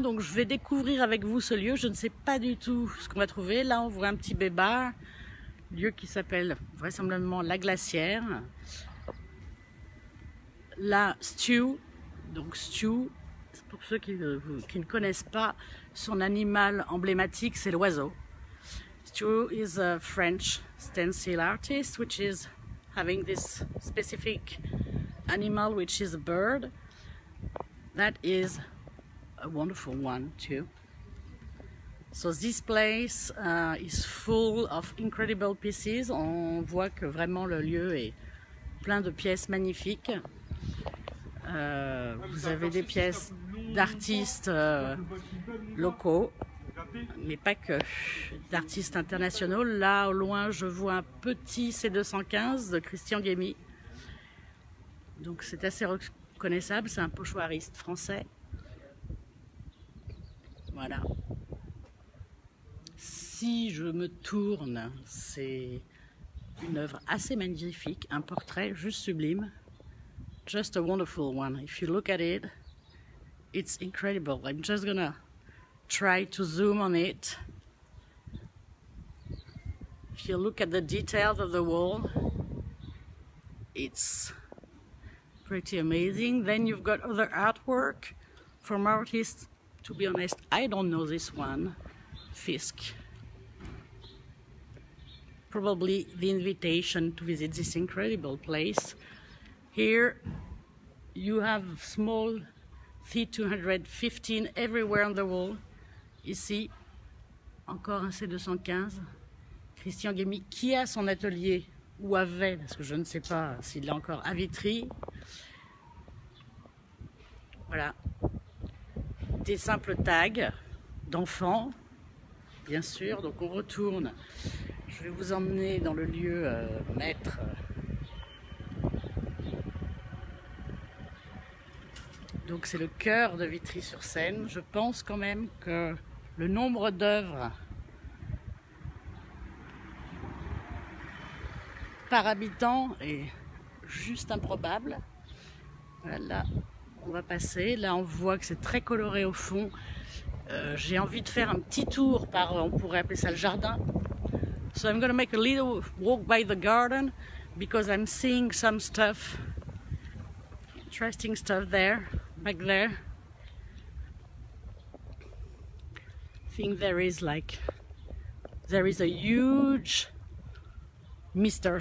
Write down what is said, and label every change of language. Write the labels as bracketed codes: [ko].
[fr] Donc, je vais découvrir avec vous ce lieu. Je ne sais pas du tout ce qu'on va trouver. Là, on voit un petit bébard, lieu qui s'appelle vraisemblablement La Glacière. Là, Stew. Donc, Stew. Pour ceux qui ne connaissent pas son animal emblématique, c'est l'oiseau. [en] Stu is a French stencil artist, which is having this specific animal, which is a bird. That is a wonderful one too. So this place is full of incredible pieces. [fr] On voit que vraiment le lieu est plein de pièces magnifiques. Vous avez des pièces d'artistes locaux, mais pas que, d'artistes internationaux. Là, au loin, je vois un petit C215 de Christian Guémy. Donc, c'est assez reconnaissable. C'est un pochoiriste français. Voilà. Si je me tourne, c'est une œuvre assez magnifique, un portrait juste sublime. [en] Just a wonderful one. If you look at it, it's incredible. I'm just gonna try to zoom on it. If you look at the details of the wall, it's pretty amazing. Then you've got other artwork from artists. To be honest, I don't know this one, Fisk. Probably the invitation to visit this incredible place. Here you have small C215 everywhere on the wall. [fr] Ici, encore un C215. Christian Guémy, qui a son atelier, ou avait, parce que je ne sais pas s'il l'a encore, à Vitry. Voilà. Des simples tags d'enfants, bien sûr. Donc on retourne. Je vais vous emmener dans le lieu maître. Donc c'est le cœur de Vitry-sur-Seine. Je pense quand même que le nombre d'œuvres par habitant est juste improbable. Voilà, on va passer. Là on voit que c'est très coloré au fond. J'ai envie de faire un petit tour par, on pourrait appeler ça le jardin. [en] So I'm gonna make a little walk by the garden because I'm seeing some stuff, interesting stuff there. Back there, I think there is a huge Mr.